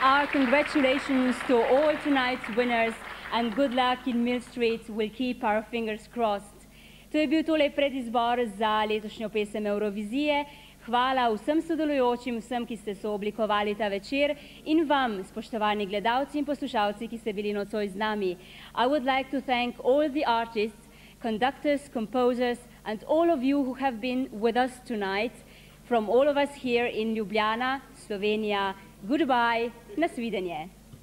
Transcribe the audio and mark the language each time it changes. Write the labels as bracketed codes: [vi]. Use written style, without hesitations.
[en] Congratulations to all tonight's winners and good luck in Millstreet. We'll keep our fingers crossed. [sl] To je bil tole predizbor za letošnjo pesem Eurovizije. Hvala vsem sodelujočim, vsem, ki ste sooblikovali ta večer in vam, spoštovani gledalci in poslušalci, ki ste bili nocoj z nami. [en] I would like to thank all the artists, conductors, composers and all of you who have been with us tonight from all of us here in Ljubljana, Slovenija. Goodbye. [ru] На свидание.